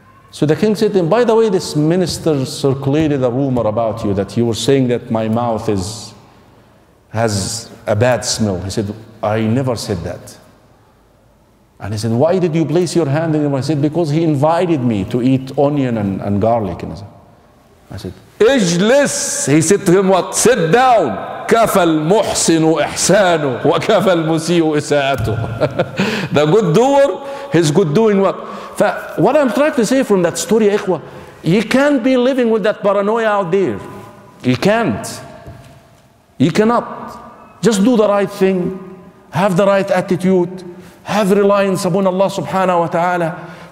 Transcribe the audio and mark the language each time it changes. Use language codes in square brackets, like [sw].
[en] So the king said, and by the way, this minister circulated a rumor about you that you were saying that my mouth has a bad smell. He said, I never said that. And he said, why did you place your hand in him? I said, because he invited me to eat onion and garlic. And I said, [ar] اجلس. [en] He said to him, what? Sit down. [ar] كفى المحسن إحسانه وكفى المسيء إساءته. [en] The good doer, his good doing what? What I'm trying to say from that story, Ikhwa, you can't be living with that paranoia out there. You can't. You cannot. Just do the right thing. Have the right attitude. Have reliance upon Allah subhanahu wa ta'ala.